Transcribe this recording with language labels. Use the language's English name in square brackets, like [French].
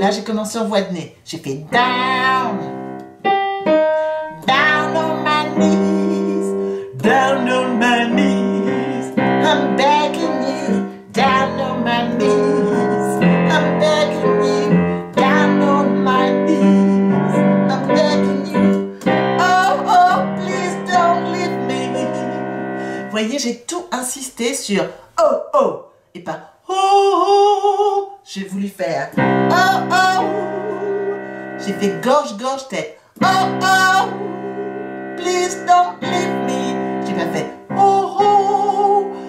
[French] Là, j'ai commencé en voix de nez. J'ai fait [English] down, down on my knees, [French] down on my knees. [English] I'm begging you, down on my knees. I'm begging you, down on my knees. I'm begging you. Oh, oh, please don't leave me. [French] Vous voyez, j'ai tout insisté sur oh oh et pas oh oh. J'ai voulu faire oh oh. J'ai fait gorge gorge tête oh oh. [English] Please don't leave me. [French] J'ai pas fait oh oh.